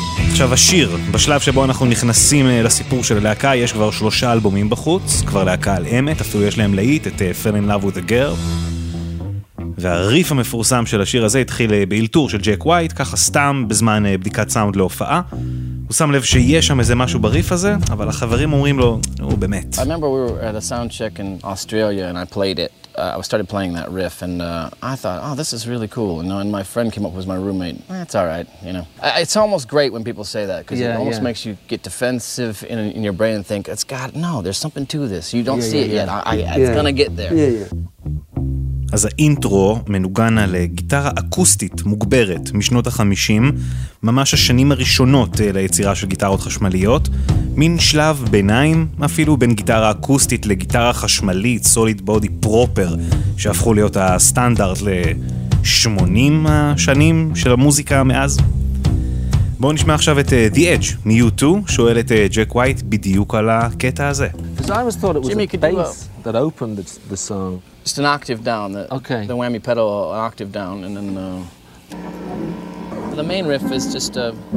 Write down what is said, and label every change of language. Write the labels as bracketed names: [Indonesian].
[Hebrew] עכשיו השיר, בשלב שבו אנחנו נכנסים לסיפור של הלהקה, יש כבר שלושה אלבומים בחוץ, כבר להקה על אמת, אפילו יש להם להיט את Fell in Love with a Girl. והריף המפורסם של השיר הזה התחיל באלתור של ג'ק ווייט, ככה סתם בזמן בדיקת סאונד להופעה. הוא שם לב שיש שם איזה משהו בריף הזה, אבל החברים אומרים לו, נו, באמת. [English] I remember we were at a sound check in Australia and I played it. I started playing that riff and I thought, oh, this is really cool. You know, and my friend came up with my roommate. It's all right, you know. It's almost great when people say that because it almost makes you get defensive in your brain and think, it's God, no, there's something to this. You don't see it yet. It's gonna get there. [Hebrew] אז האינטרו מנוגן על גיטרה אקוסטית מוגברת משנות ה-50, ממש השנים הראשונות ליצירה של גיטרות חשמליות, מין שלב ביניים אפילו בין גיטרה אקוסטית לגיטרה חשמלית, סוליד בודי פרופר, שהפכו להיות הסטנדרט ל-80 השנים של המוזיקה מאז. בואו נשמע עכשיו את The Edge מ-U2, שואל את ג'ק ווייט בדיוק על הקטע הזה. [English] I always thought it was Jimmy a bass that opened the song. Just an octave down, the whammy pedal, an octave down, and then the main riff is just a...